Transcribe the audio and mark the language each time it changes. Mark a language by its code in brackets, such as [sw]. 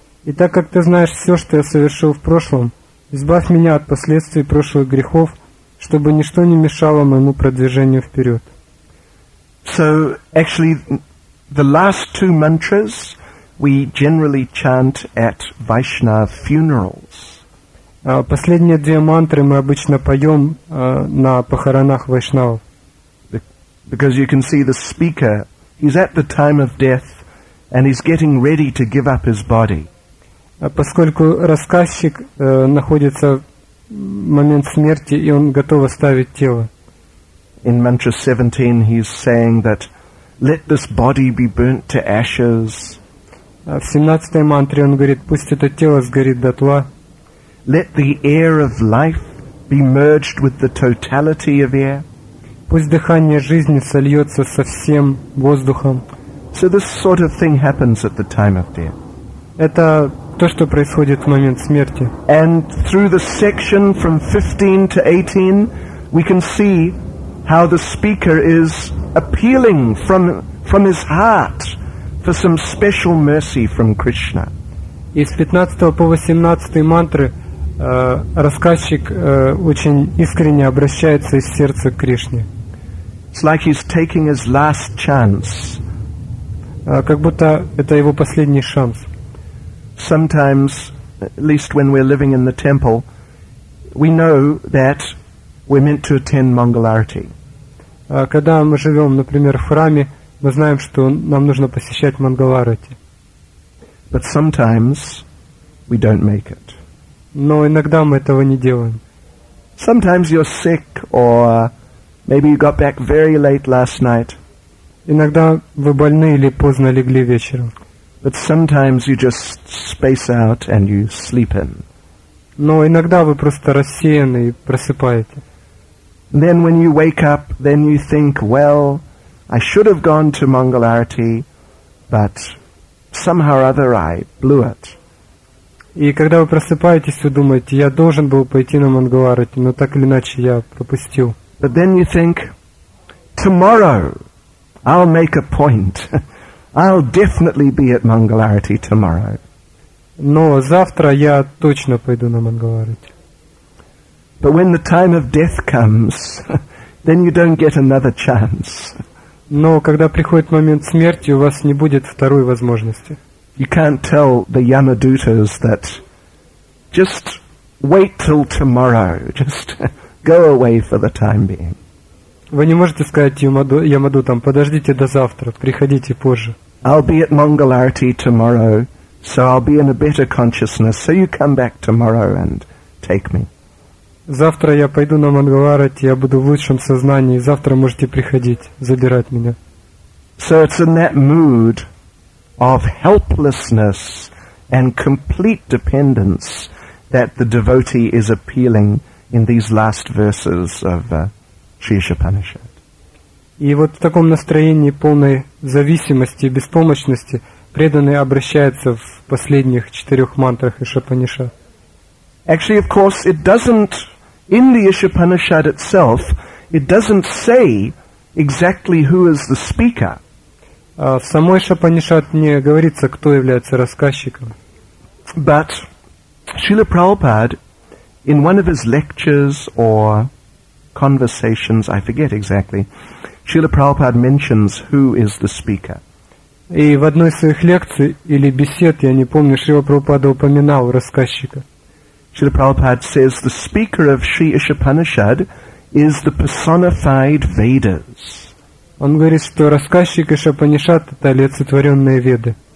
[ru] И так как Ты знаешь все, что я совершил в прошлом, избавь меня от последствий прошлых грехов, чтобы ничто не мешало моему продвижению вперед. [en] So, actually, the last two mantras we generally chant at Vaishnava funerals. [ru] Последние две мантры мы обычно поем на похоронах вайшнавов. [en] Because you can see the speaker, he's at the time of death, and he's getting ready to give up his body. [ru] Поскольку рассказчик находится в момент смерти, и он готов оставить тело. [en] In mantra 17, he's saying that let this body be burnt to ashes. [ru] В 17-й мантре он говорит, пусть это тело сгорит дотла. [en] Let the air of life be merged with the totality of air. [ru] Пусть дыхание жизни сольется со всем воздухом. [en] So this sort of thing happens at the time of death. [ru] Это то, что происходит в момент смерти. [en] And through the section from 15 to 18, we can see how the speaker is appealing from his heart for some special mercy from Krishna. [ru] Из 15 по 18 мантры рассказчик очень искренне обращается из сердца к Кришне. [en] It's like he's taking his last chance. [ru] Как будто это его последний шанс. [en] Sometimes, at least when we're living in the temple, we know that we're meant to attend Mangal Arati. [ru] Когда мы живем, например, в храме, мы знаем, что нам нужно посещать Mangal Arati. [en] But sometimes we don't make it. [ru] Но иногда мы этого не делаем. [en] Sometimes you're sick, or maybe you got back very late last night. [ru] Иногда вы больны или поздно легли вечером. [en] But sometimes you just space out and you sleep in. [ru] Но иногда вы просто рассеяны и просыпаете. [en] And then when you wake up, then you think, well, I should have gone to Mangal Arati, but somehow or other I blew it. [ru] И когда вы просыпаетесь, вы думаете, я должен был пойти на Mangal Arati, но так или иначе я пропустил. [en] But then you think, tomorrow I'll make a point. I'll definitely be at Mangal Arati tomorrow. [ru] Но завтра я точно пойду на Mangal Arati. [en] But when the time of death comes, then you don't get another chance. [ru] Но когда приходит момент смерти, у вас не будет второй возможности. [en] You can't tell the Yamadutas that just wait till tomorrow, just go away for the time being. [ru] Вы не можете сказать Ямадутам, подождите до завтра, приходите позже. [en] I'll be at Mangal Arati tomorrow, so I'll be in a better consciousness, so you come back tomorrow and take me. [ru] Завтра я пойду на Mangal Arati, я буду в лучшем сознании, завтра можете приходить, забирать меня. [en] So it's in that mood of helplessness and complete dependence that the devotee is appealing in these last verses of Sri Upanishad. [ru] И вот в таком настроении полной зависимости и беспомощности преданный обращается в последних четырех мантрах Ишопанишад. [en] Actually, of course, it doesn't, in the Ишопанишад itself, it doesn't say exactly who is the speaker. [ru] В самой Шопанишад не говорится, кто является рассказчиком. [en] But Srila Prabhupada, in one of his lectures or conversations, I forget exactly, Srila Prabhupada mentions who is the speaker. [ru] И в одной из своих лекций или бесед, я не помню, Шрила Прабхупада упоминал рассказчика. [en] Srila Prabhupada says the speaker of Sri Ishapanishad is the personified Vedas. [ru] Он говорит, что рассказчик из Упанишад — это олицетворенные Веды.